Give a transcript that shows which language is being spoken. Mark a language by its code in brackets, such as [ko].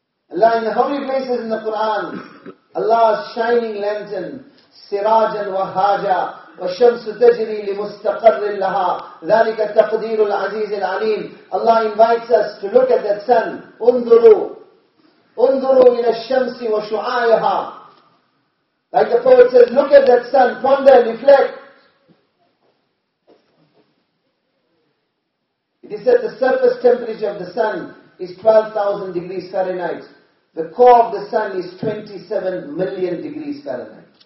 [en] Allah, in how many places in the Quran, Allah's shining lantern, sirajan wahaja, [ar] وَالشَّمْسُ تَجْرِي لِمُسْتَقَرٍ لَهَا ذَلِكَ تَقْدِيرُ الْعَزِيزِ الْعَلِيمِ. [en] Allah invites us to look at that sun. [ar] انظروا إلى الشمس وشعائها. [en] Like the poet says, look at that sun, ponder and reflect. It is said the surface temperature of the sun is 12,000 degrees Fahrenheit. The core of the sun is 27 million degrees Fahrenheit.